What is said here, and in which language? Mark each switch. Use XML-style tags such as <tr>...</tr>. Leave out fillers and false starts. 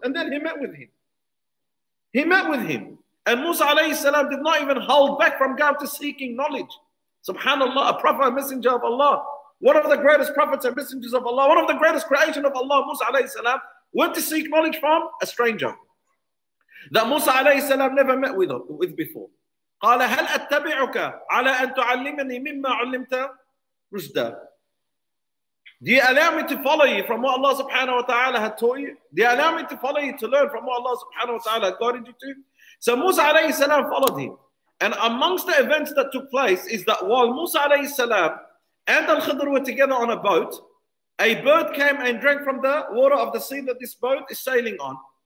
<en>And then he met with him. And Musa alayhi salam did not even hold back from going to seeking knowledge. Subhanallah, a prophet and messenger of Allah, one of the greatest prophets and messengers of Allah, one of the greatest creation of Allah, Musa alayhi salam, went to seek knowledge from a stranger. that Musa alayhi salam never met with before.</en> <ar>قال هل أتبعك على أن تعلمني مما علمت رشدا.</ar> <en>Do you allow me to follow you from what Allah subhanahu wa ta'ala had taught you? Do you allow me to follow you to learn from what Allah subhanahu wa ta'ala had guided you to? So Musa alayhi salam followed him. And amongst the events that took place is that while Musa alayhi salam and Al-Khidr were together on a boat, a bird came and drank from the water of the sea that this boat is sailing on.</en>